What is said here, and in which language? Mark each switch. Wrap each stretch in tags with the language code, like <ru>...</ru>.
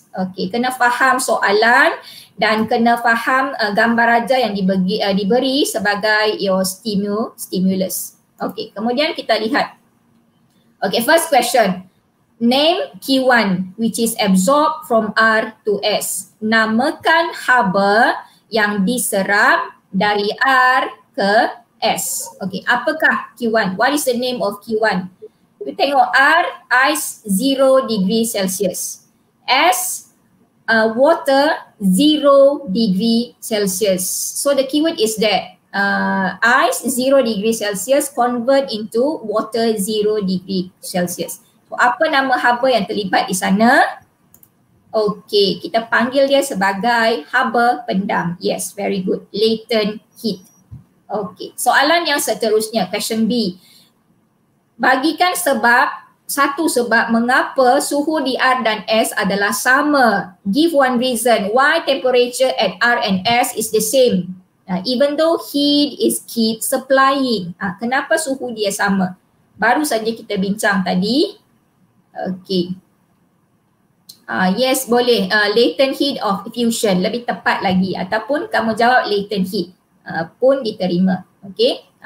<ms>Okay, kena faham soalan dan kena faham gambar raja yang diberi sebagai</ms> <en>your stimulus.</en> <ms>Okay, kemudian kita lihat. Okay,</ms> <en>first question. Name Q1 which is absorbed from R to S.</en> <ms>Namakan haba yang diserap dari R ke S.</ms> <en>Okay,</en> <ms>apakah Q1?</ms> <en>What is the name of Q1? You</en> <ms>tengok</ms> <en>R, ice 0 degree Celsius. S, water 0 degree Celsius. So the keyword is that ice 0 degree Celsius convert into water 0 degree Celsius.</en> <ms>Apa nama haba yang terlibat di sana? Okay, kita panggil dia sebagai haba pendam.</ms> <en>Yes, very good.</en> <ms>Latent heat. Okay, soalan yang seterusnya,</ms> <en>question B.</en> <ms>Bagikan sebab satu sebab mengapa suhu di R dan S adalah sama.</ms> <en>Give one reason why temperature at R and S is the same. Even though heat is keep supplying.</en> <ms>Kenapa suhu dia sama? Baru saja kita bincang tadi. Okay. Yes, boleh.</ms> <en>Latent heat of fusion.</en> <ms>Lebih tepat lagi. Ataupun kamu jawab latent heat pun diterima. Okay.</ms>